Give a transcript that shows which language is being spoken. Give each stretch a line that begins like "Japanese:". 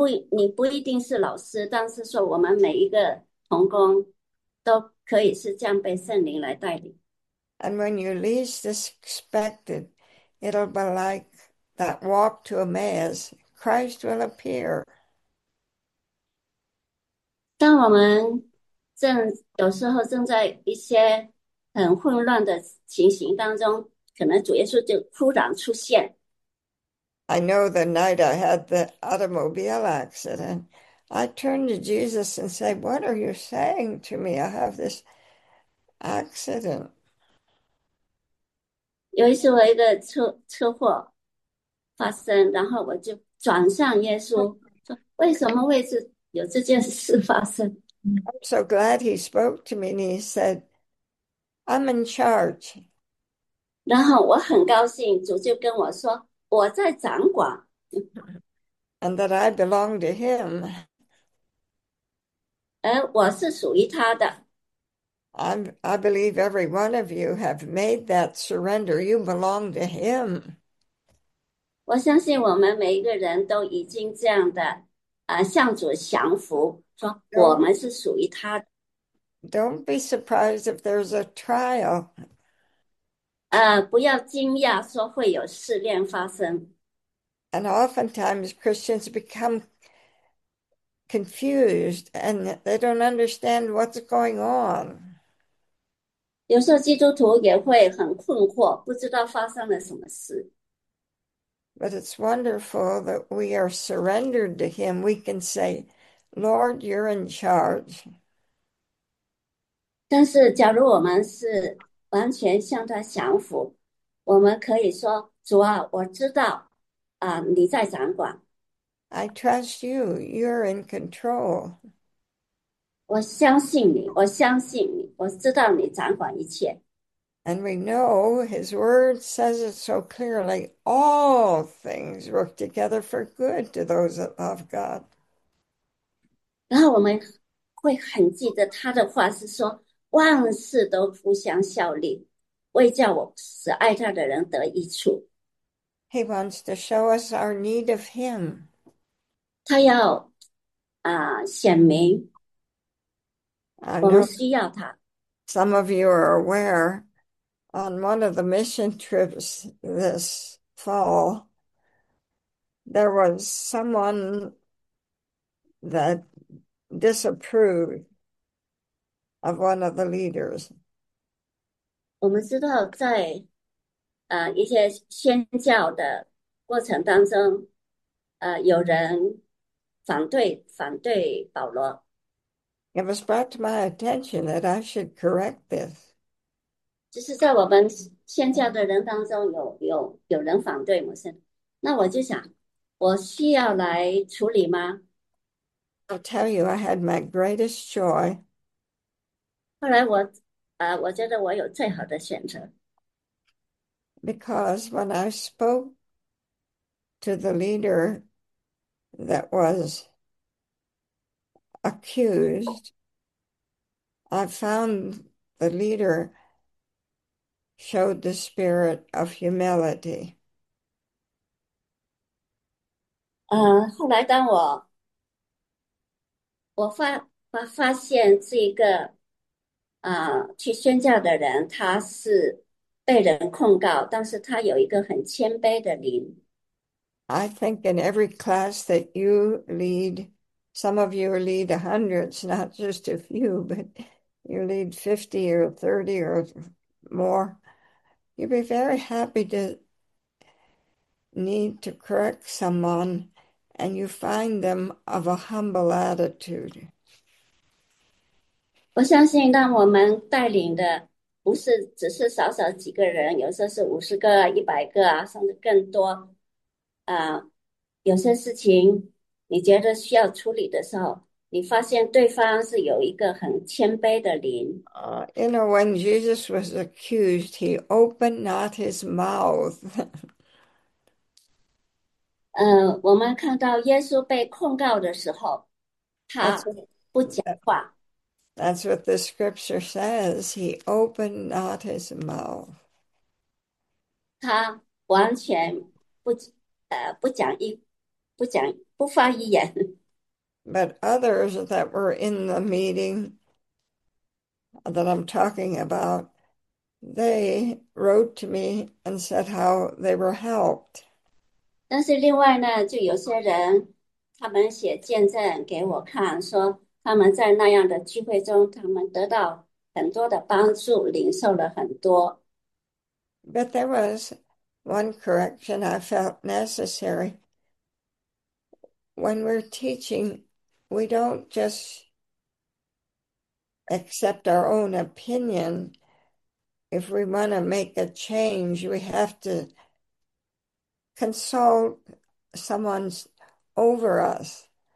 Chinese: 你不一定是老师，但是说我们每一个童工都可以是这样被圣灵来带领。
English: And when you least expect it, it'll be like that walk to Emmaus. Christ will appear.
Chinese: 当我们有时候正在一些很混乱的情形当中，可能主耶稣就突然出现。
English: I know the night I had the automobile accident, I turned to Jesus and said, What are you saying to me? I have this accident.
Chinese: 有一次，我一个车祸发生，然后我就转向耶稣，说：“为什么会是有这件事发生
English: I'm so glad he spoke to me and he said, I'm in charge. ？”
Chinese: 然后我很高兴，主就跟我说：“我在掌管。
English: And that I belong to him.
Chinese: 我是属于他的。
English: I believe every one of you have made that surrender. You belong to him.
Chinese: 我相信我们每一个人都已经这样的，向主降服，说我们是属于他的。
English: Don't be surprised if there's a trial.
Chinese: 不要惊讶说会有试炼发生。
English: And oftentimes Christians become confused and they don't understand what's going on.
Chinese: 有时候基督徒也会很困惑，不知道发生了什么事。
English: But it's wonderful that we are surrendered to Him. We can say, Lord, you're in charge.
Chinese: 但是，假如我们是完全向他降服，我们可以说：“主啊，我知道，你在掌管。
English: I trust you, you're in control.
Chinese: 我相信你，我相信你，我知道你掌管一切。
English: And we know his word says it so clearly, all things work together for good to those that love God.
Chinese: 然后我们会很记得他的话是说。” 万事都互相效力，为叫我使爱他的人得益处。
English: He wants to show us our need of him.
Chinese: 他要显明
English: I
Chinese: 我们
English: know
Chinese: 需要他。
English: some of you are aware on one of the mission trips this fall, there was someone that disapproved of one of the leaders.
Chinese: 我们知道在，一些宣教的过程当中，有人反对保罗，
English: It was brought to my attention that I should correct this.
Chinese: 就是在我们宣教的人当中有人反对某些，那我就想，我需要来处理吗？
English: I'll tell you, I had my greatest joy.
Chinese: 后来我觉得我有最好的选择。
English: Because when I spoke to the leader that was accused, I found the leader showed the spirit of humility.
Chinese: 后来当我发现这个。去宣教的人，他是被人控告，但是他有一个很谦卑的灵。
English: I think in every class that you lead, some of you lead hundreds, not just a few, but you lead 50 or 30 or more, you'd be very happy to need to correct someone and you find them of a humble attitude.
Chinese: 我相信，当我们带领的不是只是少少几个人，有时候是50个、100个啊，甚至更多。有些事情你觉得需要处理的时候，你发现对方是有一个很谦卑的灵。
English: You know, when Jesus was accused, he opened not his mouth.
Chinese: 我们看到耶稣被控告的时候，他不讲话。
English: That's what the scripture says. He opened not his mouth.
Chinese: 他完全不发一言。
English: But others that were in the meeting that I'm talking about, they wrote to me and said how they were helped.
Chinese: 但是另外呢，就有些人，他们写见证给我看，说他们在那样的聚会中，他们得到很多的帮助，领受了很多。
English: But there was one correction I felt necessary. When we're teaching, we don't just accept our own opinion. If we want to make a change, we have to consult someone's over us.